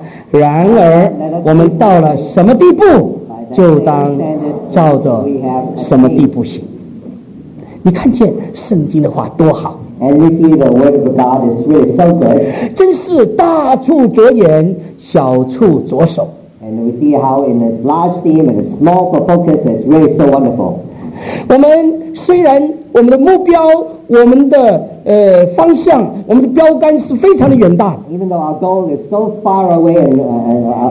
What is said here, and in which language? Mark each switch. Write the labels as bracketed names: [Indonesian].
[Chinese] 然而，我们到了什么地步，就当照着什么地步行。你看见圣经的话多好。 [English] And we see the word of God is really so good. [Chinese] 真是大处着眼，小处着手。 [English] And we see how in a large theme and a small focus is really so wonderful. [Chinese] 我们虽然我们的目标，我们的方向，我们的标杆是非常的远大的。 [English] Even though our goal is so far away and